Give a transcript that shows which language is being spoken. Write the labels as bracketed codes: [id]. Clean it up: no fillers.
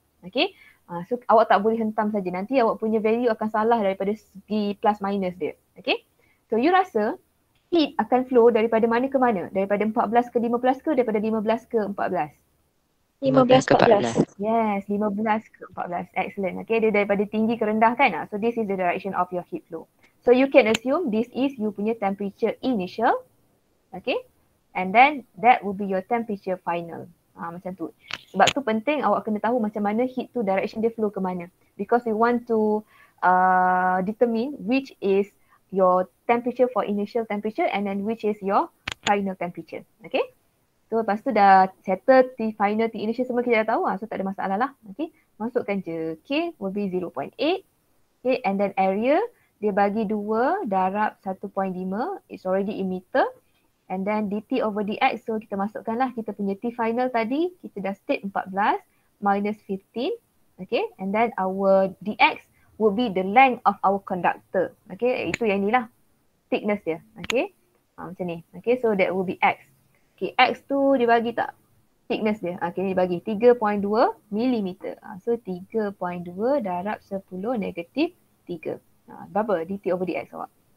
[ms] Okay, so awak tak boleh hentam saja. Nanti awak punya value akan salah daripada segi plus minus dia. Okay, so you rasa heat akan flow daripada mana ke mana? Daripada 14 ke 15 ke, daripada 15 ke 14? 15 ke 14. Yes, 15 ke 14. Excellent. Okay, dia daripada tinggi ke rendah kan? [en] So this is the direction of your heat flow. So you can assume this is [ms] you punya [en] temperature initial. Okay, and then that will be your temperature final. [ms] Macam tu. Sebab tu penting awak kena tahu macam mana heat tu direction dia flow ke mana. [en] Because we want to determine which is your temperature for initial temperature and then which is your final temperature. [ms] Okay. So lepas tu dah settle T final, T initial semua kita dah tahu lah. So tak ada masalah lah. Okay. Masukkan je. [en] K will be 0.8. Okay. And then area [ms] dia bagi 2 darab 1.5. [en] It's already in meter. And then DT over DX, [ms] so kita masukkanlah kita punya T final tadi, kita dah state 14 minus 15. [en] Okay, and then our DX will be the length of our conductor. [ms] Okay, itu yang inilah thickness dia. Okay, macam ni. Okay, [en] so that will be X. [ms] Okay, X tu dibagi tak? Thickness dia. Okay, dia bagi 3.2 millimeter. So 3.2 darab 10 negatif 3. Berapa DT over DX awak?